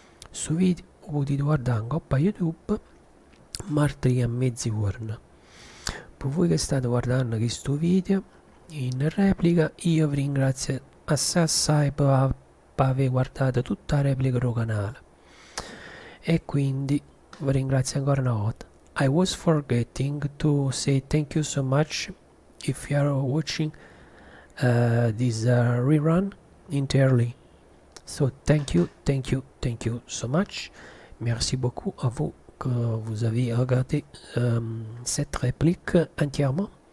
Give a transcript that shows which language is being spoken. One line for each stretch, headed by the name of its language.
Italian: Su video potete guardare anche coppa YouTube martedì a mezzogiorno. Per voi che state guardando questo video in replica, io vi ringrazio assai assai per avevo guardato tutta la replica del canale. E quindi vi ringrazio ancora una volta.
English: I was forgetting to say thank you so much if you are watching this rerun entirely. So thank you, so much.
French: Merci beaucoup à vous que vous avez regardé cette réplique entièrement.